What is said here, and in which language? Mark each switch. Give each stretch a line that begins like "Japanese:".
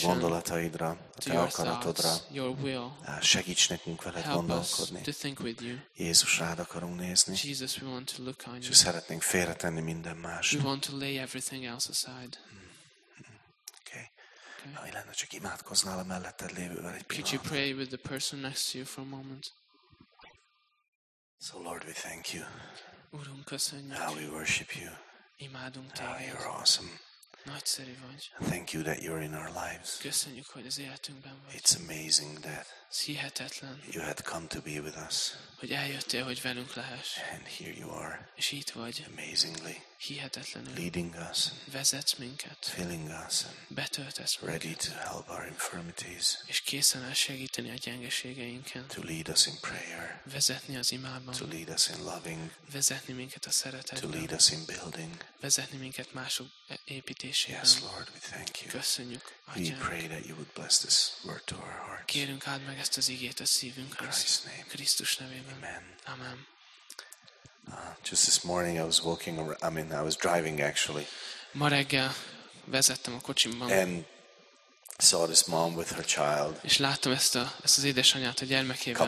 Hungarian: te gondolataidra, a te akaratodra,
English: your will,
Hungarian: segíts nekünk veled gondolkodni.
English: To think with you.
Hungarian: Jézus, rád akarunk nézni.
English: Jesus, we want to look on you.
Hungarian: És szeretnénk félretenni minden más.
English: We want to lay everything else aside.
Hungarian: Ha lenne, csak imádkoznál a melletted lévővel egy pillanat.
English: Could you pray with the person next to you for a moment? So Lord, we thank you.
Hungarian: Úrunk, köszönjük.
English: How we worship you.
Hungarian: Imádunk téged.
English: How you're awesome.
Hungarian: Nagyszerű vagy.
English: Thank you that you're in our lives.
Hungarian: Köszönjük, hogy az életünkben vagy.
English: It's amazing that.
Hungarian: Hihetetlen.
English: You had come to be with us.
Hungarian: Hogy eljöttél, hogy velünk lehess.
English: And here you are.
Hungarian: És itt vagy.
English: Amazingly.
Hungarian: Hihetetlenül.
English: Leading us.
Hungarian: Vezetsz minket.
English: Filling us.
Hungarian: Betöltesz minket.
English: Ready to help our infirmities.
Hungarian: És készen áll segíteni a gyengeségeinken.
English: To lead us in prayer.
Hungarian: Vezetni az imában.
English: To lead us in loving.
Hungarian: Vezetni minket a szeretetben.
English: To lead us in building.
Hungarian: Vezetni minket mások építésében.
English: Yes, Lord, we thank you.
Hungarian: Köszönjük, Atyánk.
English: We pray that you would bless this word to our hearts.
Hungarian: Kérünk, áld meg ezt az igét a szívünkre.
English: In Christ's name.
Hungarian: Krisztus nevében.
English: Amen.
Hungarian: Amen.
English: Just this morning I was walking around, I was driving actually.
Hungarian: Ma reggel vezettem a kocsimban.
English: And saw this mom with her child.
Hungarian: És láttam ezt az édesanyát a gyermekével.